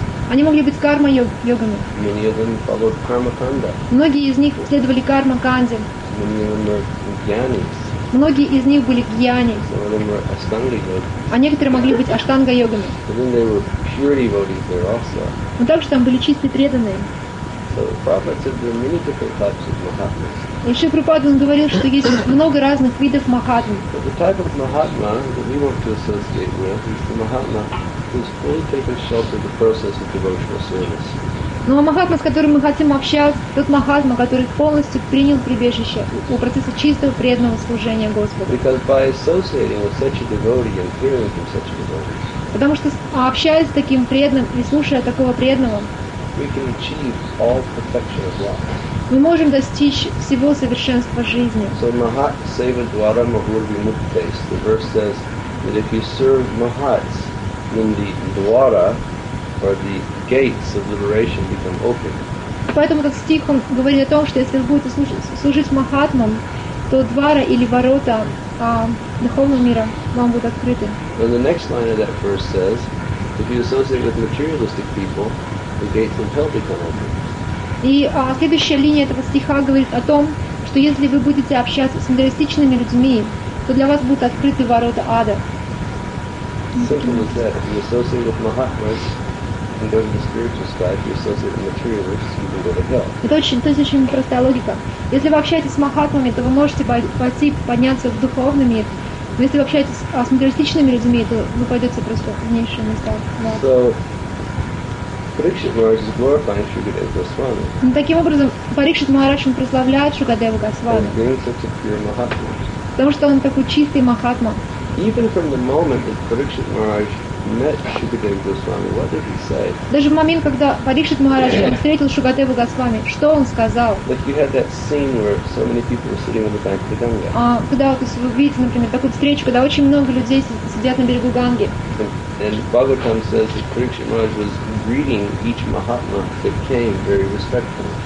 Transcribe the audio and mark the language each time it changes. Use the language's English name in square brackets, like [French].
[Russian] Они могли быть карма-йогами. [English] Many of them followed karma-kanda. [Russian] Многие из них следовали карма-канде. [English] Many of them were gyanis. [Russian] Многие из них были гьяни. [English] Some of them were ashtanga-yogis. [Russian] А некоторые могли быть аштанга-йогами. [English] But then they were purity devotees there also. [Russian] Но также там были чистые преданные. [English] So the Prabhupada said there are many different types of mahatmas. [Russian] И еще Прабхупада говорил, что есть много разных видов махатм. [English] But the type of mahatma that we want to associate with is the mahatma who's fully taken shelter of the process of devotional service. [Russian] Но махатма, с которым мы хотим общаться, тот махатма, который полностью принял прибежище у процесса чистого преданного служения Господу. [English] Because by associating with such a devotee and hearing from such a devotee. [Russian] Потому что общаясь с таким преданным и слушая такого преданного, [English] we can achieve all perfection of life. [Russian] Мы можем достичь всего совершенства жизни. [Sanskrit] So Mahat Seva Dwara Mahur Vimuktes. [English] The verse says that if you serve Mahats, then the Dwara, or the gates of liberation, become open. [Russian] Поэтому этот стих он говорит о том, что если вы будете служить Махатмам, то Двара или ворота духовного мира вам будут открыты. [English] And the next line of that verse says, if you associate with materialistic people, the gates of hell become open. [Russian] И следующая линия этого стиха говорит о том, что если вы будете общаться с материалистичными людьми, то для вас будут открыты ворота ада. [English] Simple as that. If you associate with Mahatmas and go to the spiritual sky, if you associate with materialists, you can go to hell. [Russian] Это очень простая логика. Если вы общаетесь с Махатмами, то вы можете пойти подняться в духовный мир. Но если вы общаетесь с материалистичными людьми, то вы пойдете просто в низшие места. [English] Parikshit Maharaj is glorifying Sri Gadeva Goswami. [Russian] Ну, таким образом, Парикшит Махарадж прославляет Шри Гадеву Госвами. [English] He's being such a pure Mahatma. [Russian] Потому что он такой чистый Махатма. [English] Even from the moment that Parikshit Maharaj met Sri Gadeva Goswami, what did he say? [Russian] Даже в момент, когда Парикшит Махарадж встретил Шри Гадеву Госвами, что он сказал? [English] Like you had that scene where so many people were sitting on the bank of the Ganga. [Russian] Когда вот, если вы видите, например, такую встречу, когда очень много людей сидят на берегу Ганги. [English] And Bhagavatam says that Parikshit Maharaj was greeting each Mahatma that came very respectfully.